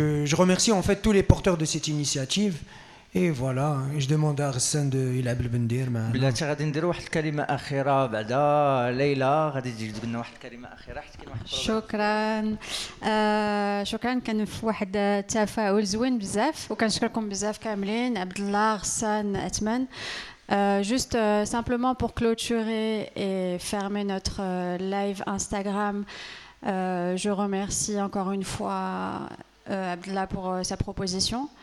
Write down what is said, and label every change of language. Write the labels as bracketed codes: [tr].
[fr] Je remercie en fait tous les porteurs de cette initiative اي فوالا اي جو دوموندا غسان دو [ar] يلعب البندير معنا بلاتي غادي ندير واحد الكلمه اخيره بعدا ليلى غادي تجي تقول لنا واحد الكلمه اخيره حيت كاين واحد شكرا شكرا كان في واحد التفاؤل زوين بزاف وكنشكركم بزاف كاملين عبد الله غسان اتمان [fr] juste simplement pour clôturer et fermer notre live Instagram je remercie encore une fois Abdullah pour sa proposition